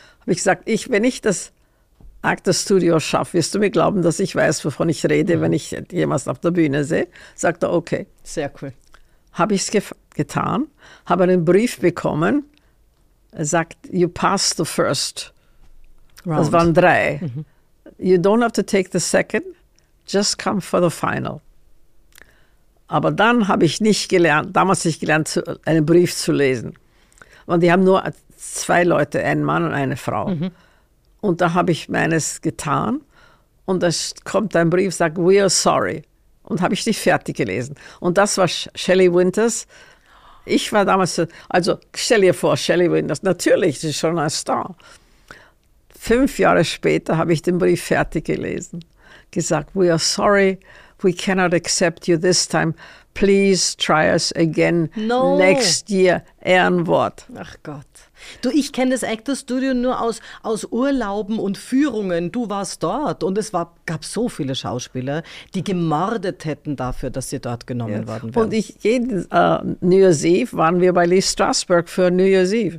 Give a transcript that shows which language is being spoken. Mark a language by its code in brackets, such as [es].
[de] Habe ich gesagt, wenn ich das... Actors Studio schafft. Wirst du mir glauben, dass ich weiß, wovon ich rede, wenn ich jemals auf der Bühne sehe? Sagt er, okay. Sehr cool. Habe ich es getan, habe einen Brief bekommen. Er sagt, [en] you passed the first round. [de] Das waren 3. Mhm. [en] You don't have to take the second, just come for the final. [de] Aber dann habe ich nicht gelernt, damals nicht gelernt, einen Brief zu lesen. Und die haben nur 2 Leute, einen Mann und eine Frau. Mhm. Und da habe ich meines getan und da kommt ein Brief, sagt, [en] we are sorry. [de] Und habe ich nicht fertig gelesen. Und das war Shelley Winters. Ich war damals, also stell dir vor, Shelley Winters, natürlich, sie ist schon ein Star. 5 Jahre später habe ich den Brief fertig gelesen. [en] Gesagt, we are sorry, we cannot accept you this time. Please try us again next year. [de] Ehrenwort. Ach Gott. Du, ich kenne das Actors Studio nur aus Urlauben und Führungen. Du warst dort und gab so viele Schauspieler, die gemordet hätten dafür, dass sie dort genommen worden wären. Und New Year's Eve waren wir bei Lee Strasberg für New Year's Eve.